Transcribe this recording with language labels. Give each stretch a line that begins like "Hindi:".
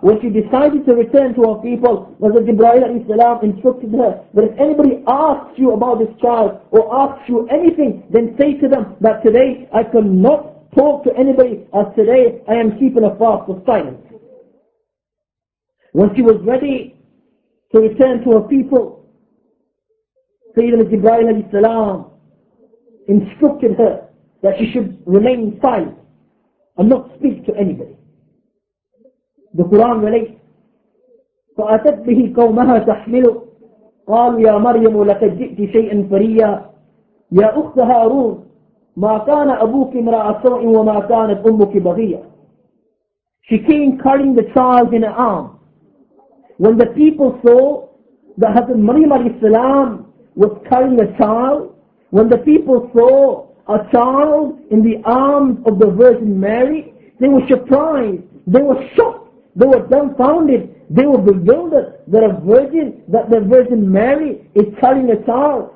English: When she decided to return to her people, Mr. Jibreel alayhi salam instructed her that if anybody asks you about this child or asks you anything, then say to them that today I cannot talk to anybody, as today I am keeping a fast of silence. When she was ready to return to her people, Sayyidina Jibreel alayhi salam instructed her that she should remain silent and not speak to anybody. The Quran relates,
Arabic: فَأَتَتْ بِهِ قَوْمَهَا تَحْمِلُ قَالُ يَا مَرْيَمُ لَكَدْ جِئْتِ شَيْئًا فَرِيًّا يَا أُخْتَ هَارُونَ مَا كَانَ أَبُوكِ امْرَأَ سَوْءٍ وَمَا كَانَتْ أُمُّكِ بَغِيًّا.
English: She came carrying the child in her arm. When the people saw that Hazrat Maryam alayhi salam was carrying a child, when the people saw a child in the arms of the Virgin Mary, they were surprised, they were shocked, they were dumbfounded, they were bewildered that a virgin, that the Virgin Mary is carrying a child.